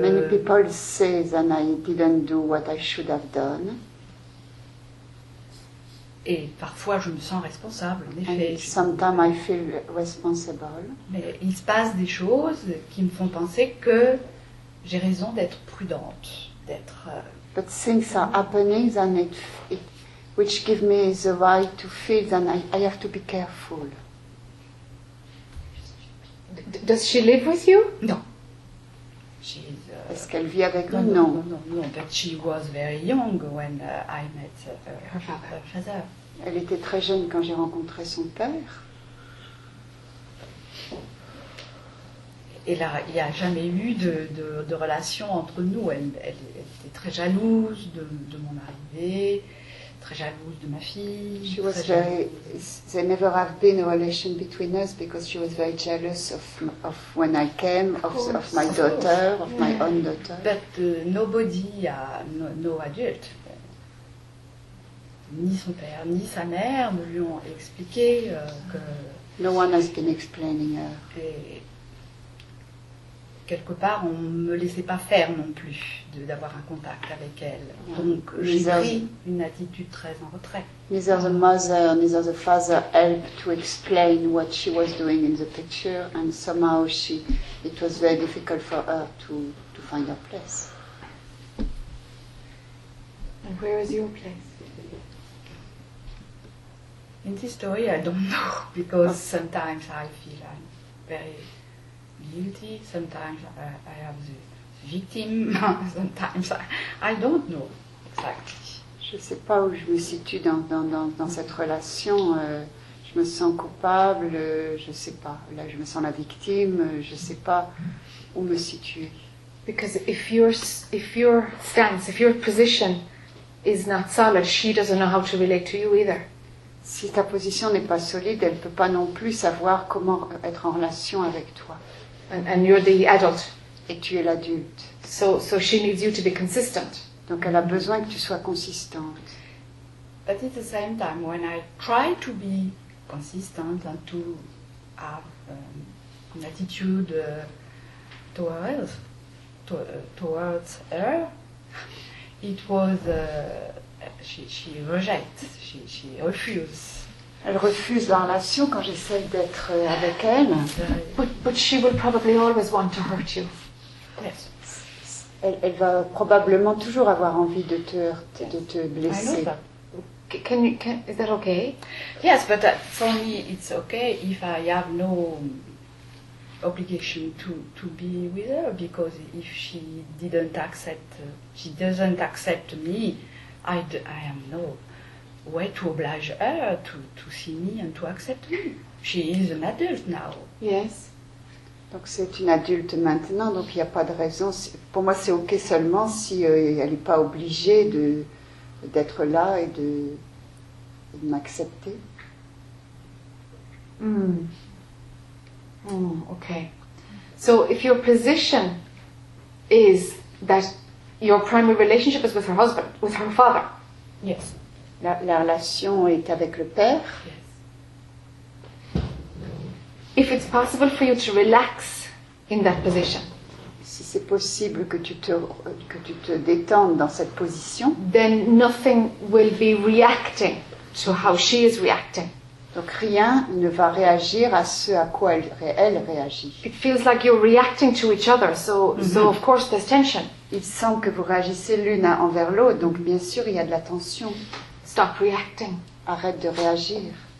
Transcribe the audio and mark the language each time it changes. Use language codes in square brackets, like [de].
[en] Many people say that I didn't do what I should have done. [fr] Et parfois je me sens responsable, en effet. [en] And sometimes I feel responsible. [fr] Mais il se passe des choses qui me font penser que j'ai raison d'être prudente, d'être. [en] But things are happening and it which give me the right to feel that I have to be careful. Does she live with you? No. [fr] Est-ce qu'elle vit avec vous? Non. [en] But she was very young when I met her father. [fr] Elle était très jeune quand j'ai rencontré son père. Et là, il n'y a jamais eu de relation entre nous. Elle était très jalouse de mon arrivée, très jalouse de ma fille. [en] She was very. There never have been a relation between us because she was very jealous of when I came, of my daughter, of my own daughter. But nobody, no adult, [fr] ni son père ni sa mère ne lui ont expliqué que. [en] No one has been explaining her. [fr] Quelque part, on ne me laissait pas faire non plus d'avoir un contact avec elle. Donc, j'ai pris une attitude très en retrait. [en] Neither the mother, neither the father helped to explain what she was doing in the picture, and somehow it was very difficult for her to find her place. And where is your place? In this story, I don't know, because sometimes I feel I'm very guilty, sometimes I have the victim, sometimes I don't know exactly. [fr] Je ne sais pas où je me situe dans cette relation. Je me sens coupable, je ne sais pas. Là, je me sens la victime, je ne sais pas où me situer. [en] Because if your stance, if your position is not solid, she doesn't know how to relate to you either. [fr] Si ta position n'est pas solide, elle ne peut pas non plus savoir comment être en relation avec toi. [en] And you're the adult. [fr] Et tu es l'adulte. [en] So she needs you to be consistent. [fr] Donc elle a besoin que tu sois consistante. [en] But at the same time, when I try to be consistent and to have an attitude towards her, it was she rejects. She refuses. [fr] Elle refuse la relation quand j'essaie d'être avec elle. [en] But she will probably always want to hurt you. Yes. [fr] Elle va probablement toujours avoir envie de te heurter, de te blesser. [en] Can is that okay? Yes, but for me it's okay if I have no obligation to be with her, because if she didn't accept, she doesn't accept me, I am no. Way to oblige her to see me and to accept me. She is an adult now. Yes. [fr] Donc c'est une adulte maintenant, donc il n'y a pas de raison. Pour moi, c'est OK seulement si elle n'est pas obligée d'être là et de m'accepter. [en] OK. So if your position is that your primary relationship is with her husband, with her father. Yes. [fr] La relation est avec le père. [en] Yes. If it's possible for you to relax in that position, [fr] si c'est possible que tu te détendes dans cette position, [en] then nothing will be reacting to how she is reacting. [fr] Donc rien ne va réagir à ce à quoi elle réagit. [en] It feels like you're reacting to each other, so so of course there's tension. [fr] Il semble que vous réagissez l'une envers l'autre, donc bien sûr il y a de la tension. [en] Stop reacting. [fr] Arrête de réagir.